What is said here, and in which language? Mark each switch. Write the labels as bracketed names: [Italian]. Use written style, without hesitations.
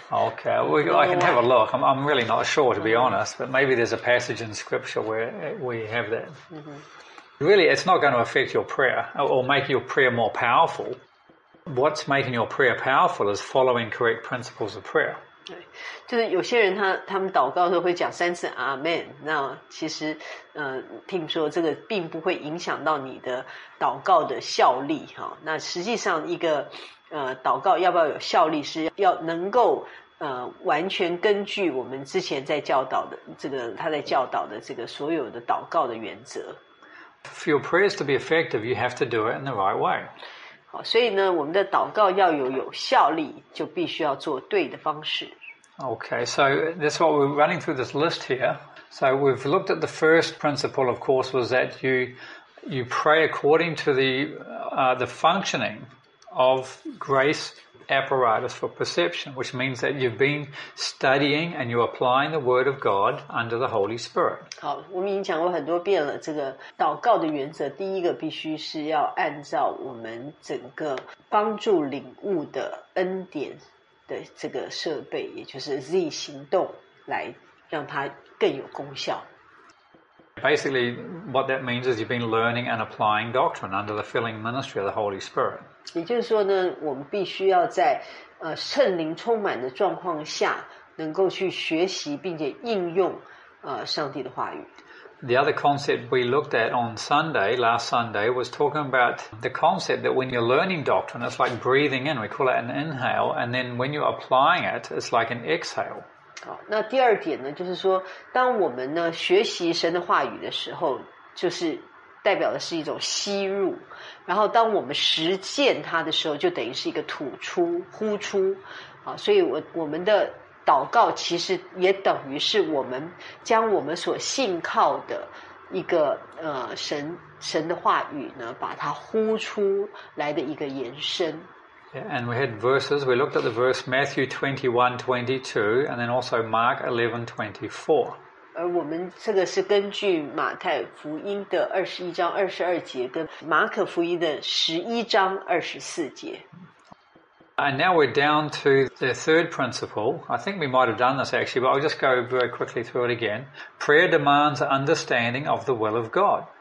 [English] Okay, I can have a look. I'm really not sure, to be honest, but maybe there's a passage in Scripture where we have that. Mm-hmm. Really, it's not going to affect your prayer or make your prayer more powerful. What's making your prayer powerful is following correct principles of prayer. [Chinese] 对，就是有些人他们祷告的时候会讲三次 Amen， 那其实听说这个并不会影响到你的祷告的效力哈。那实际上一个祷告要不要有效力，是要能够完全根据我们之前在教导的这个他在教导的这个所有的祷告的原则。 [English] For your prayers to be effective, you have to do it in the right way. [Chinese] 好，所以呢，我们的祷告要有效力，就必须要做对的方式。 [English] Okay, so that's what we're running through this list here. So we've looked at the first principle, of course, was that you pray according to the functioning of grace apparatus for perception, which means that you've been studying and you're applying the word of God under the Holy Spirit. [Chinese] 好，我们已经讲过很多遍了。这个祷告的原则，第一个必须是要按照我们整个帮助领悟的恩典的这个设备，也就是 Z 行动，来让它更有功效。 [English] Basically, what that means is you've been learning and applying doctrine under the filling ministry of the Holy Spirit. [Chinese] 也就是说呢，我们必须要在圣灵充满的状况下，能够去学习并且应用上帝的话语。 [English] The other concept we looked at on Sunday, last Sunday, was talking about the concept that when you're learning doctrine, it's like breathing in. We call it an inhale, and then when you're applying it, it's like an exhale. [Chinese] 好，那第二点呢，就是说，当我们呢学习神的话语的时候，就是代表的是一种吸入，然后当我们实践它的时候，就等于是一个吐出、呼出。好，所以我们的祷告其实也等于是我们将我们所信靠的一个神的话语呢，把它呼出来的一个延伸。 [English] Yeah, and we had verses. We looked at the verse Matthew 21:22, and then also Mark 11:24. [Chinese] 而我们这个是根据马太福音的21章22节跟马可福音的11章24节。 [English] And now we're down to the third principle. I think we might have done this actually, but I'll just go very quickly through it again. Prayer demands understanding of the will of God.